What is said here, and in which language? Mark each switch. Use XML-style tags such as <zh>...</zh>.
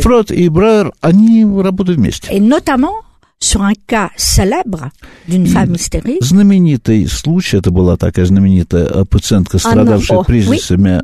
<ru>Freud</ru> <fr>et</fr> <ru>Breuer, они работают вместе.</ru> <fr>Et notamment sur un cas célèbre d'une et femme hystérique.</fr> <ru>Знаменитый случай, это была такая знаменитая пациентка, страдавшая признаками</ru>